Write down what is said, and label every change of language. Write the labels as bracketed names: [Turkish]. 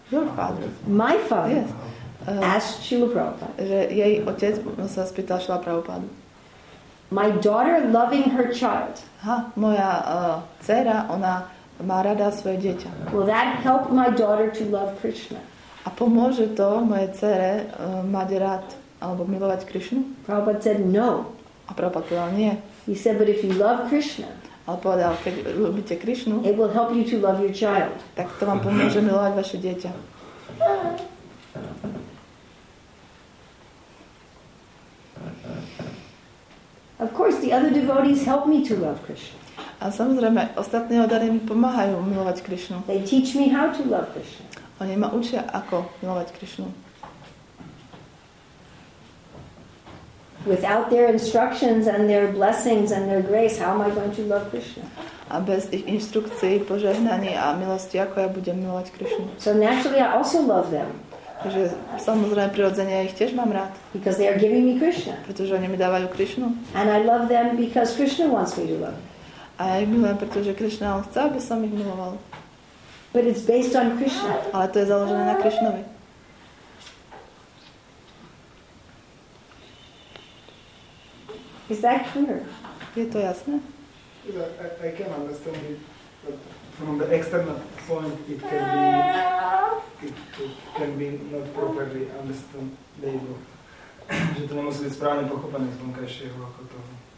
[English] Your father. My father. Yes. Asked Srila Prabhupada. [Slovak] Že jej otec sa spýtal Srila Prabhupádu. [English] My daughter loving her child. [Slovak] Ha, moja dcera, ona má rada svoje dieťa. [English] Will that help my daughter to love Krishna? [Slovak] A pomôže to mojej dcere mať rád alebo milovať Krishnu? [English] Prabhupada said no. [Slovak] A Prabhupada povedal nie. [English] He said, but if you love Krishna, [Slovak] ale povedal, keď ľúbite Krishnu, [English] it will help you to love your child. [Slovak] Tak to vám pomôže milovať vaše dieťa. [English] Of course, the other devotees help me to love Krishna. [Slovak] A samozrejme, ostatní odary mi pomáhajú milovať Krishnu. [English] They teach me how to love Krishna. [Slovak] Oni ma učia, ako milovať Krishnu. [English] Without their instructions and their blessings and their grace, how am I going to love Krishna? [Slovak] A bez ich inštrukcií, požehnaní a milosti, ako ja budem milovať Krishnu? [English] So naturally I also love them. [Slovak] Takže samozrejme prirodzene ich tiež mám rád. [English] Because they are giving me Krishna. [Slovak] Pretože oni mi dávajú Krishnu. [English] And I love them because Krishna wants me to love them. [Slovak] A ja ich milujem, pretože Krishna on chce, aby som ich miloval. [English] But it's based on Krishna. [Slovak] Ale to je založené na Krishnovi. [English] Is that clear? [Slovak] Je to jasné? [English] I can understand it, but from the external point it can be not properly understood label. [Slovak] Že to nemusí byť správne pochopené z vonkajšieho ako toho.